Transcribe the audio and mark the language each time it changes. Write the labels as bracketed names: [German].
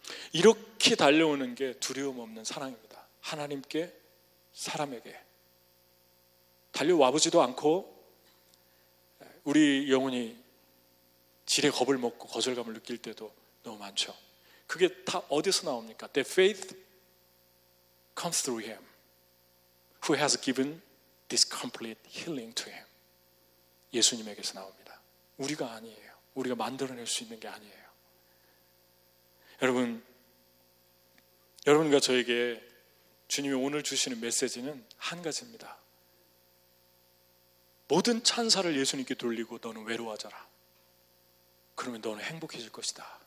[Korean] 이렇게 달려오는 게 두려움 없는 사랑입니다. 하나님께, 사람에게 달려와보지도 않고 우리 영혼이 지레 겁을 먹고 거절감을 느낄 때도 너무 많죠. 그게 다 어디서 나옵니까? [English] The faith comes through him who has given this complete healing to him. [Korean] 예수님에게서 나옵니다. 우리가 아니에요. 우리가 만들어낼 수 있는 게 아니에요. 여러분, 여러분과 저에게 주님이 오늘 주시는 메시지는 한 가지입니다. 모든 찬사를 예수님께 돌리고 너는 외로워하자라. 그러면 너는 행복해질 것이다.